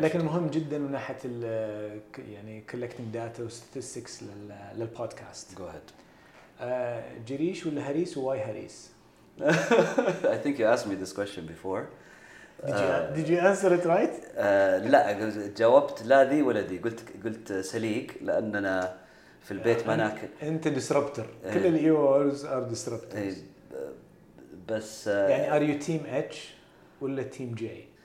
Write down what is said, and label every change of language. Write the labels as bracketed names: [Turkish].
[Arabic] لكن مهم جدا من ناحية ال [English] collecting data [Arabic] و statistics للبودكاست. [English] Go ahead. [Arabic] جريش ولا هريس و [English] why [Arabic] هريس؟ [English] I think you asked me this question before. Did you answer it right? [Arabic] لا جاوبت لا ذي ولا ذي قلت سليك لأننا في البيت ما ناكل. أنت [English] disruptor. [Arabic] كل الـ [English] EOs are disruptors. [Arabic] بس. [English] Are you team H؟ [Arabic] ولا [English] Team G?